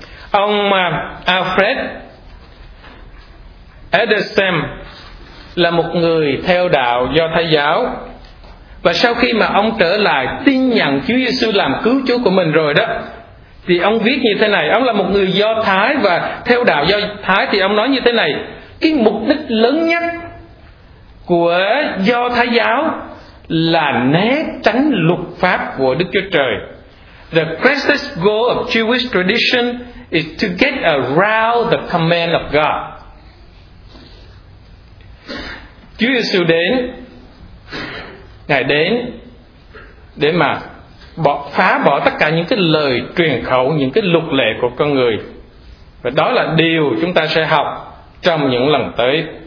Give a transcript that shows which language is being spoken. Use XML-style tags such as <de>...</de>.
<vi>Ông Alfred Edersheim là một người theo đạo Do Thái giáo, và sau khi mà ông trở lại tin nhận Chúa Giêsu làm cứu Chúa của mình rồi đó, thì ông viết như thế này. Ông là một người Do Thái và theo đạo Do Thái, thì ông nói như thế này: cái mục đích lớn nhất của Do Thái giáo là né tránh luật pháp của Đức Chúa Trời.</vi> <en>The greatest goal of Jewish tradition is to get around the command of God.</en> <vi>Chúa Giêsu đến, Ngài đến để mà phá bỏ tất cả những cái lời truyền khẩu, những cái luật lệ của con người. Và đó là điều chúng ta sẽ học trong những lần tới.</vi>